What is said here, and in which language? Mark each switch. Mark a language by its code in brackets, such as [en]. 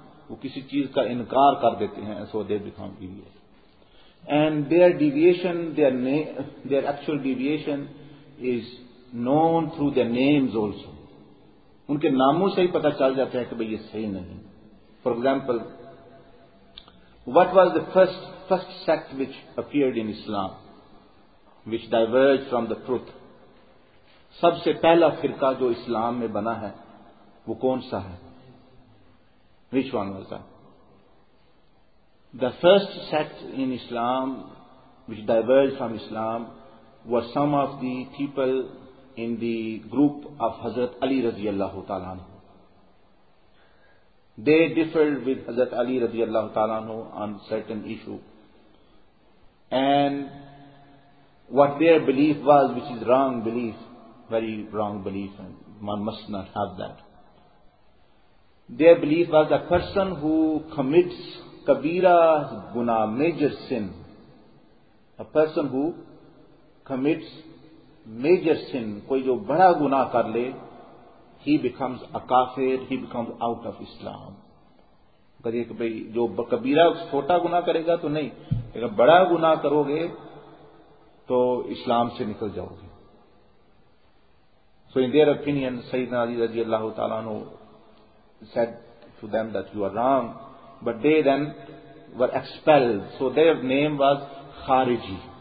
[ur] Wo kisi cheez ka inkar kar dete hain, [en] so they become deviate. And their deviation, their actual deviation is known through their names also. [ur] Unke naamon se hi pata chal jata hai ki bhai ye sahi nahi. [en] For example, what was the first sect which appeared in Islam, which diverged from the truth? [ur] سب سے پہلا فرقہ جو اسلام میں بنا ہے وہ کون سا ہے؟ [en] Which one was that? The first sect in Islam which diverged from Islam were some of the people in the group of Hazrat Ali رضی اللہ تعالیٰ عنہ. They differed with Hazrat Ali رضی اللہ تعالیٰ عنہ on certain issue. And what their belief was, which is wrong belief, very wrong belief, and one must not have that. Their belief was a person who commits kabira guna, major sin. A person who commits major sin, [ur] koi jo bada guna kar le, [en] he becomes a kafir, he becomes out of Islam. [ur] کہیے کہ بھائی جو کبیرہ چھوٹا گناہ کرے گا تو نہیں، اگر بڑا گناہ کرو گے تو اسلام سے نکل جاؤ گے. [en] So in their opinion سیدنا علی رضی اللہ تعالیٰ عنہ said to them that you are wrong, but they then were expelled, so their name was خارجی.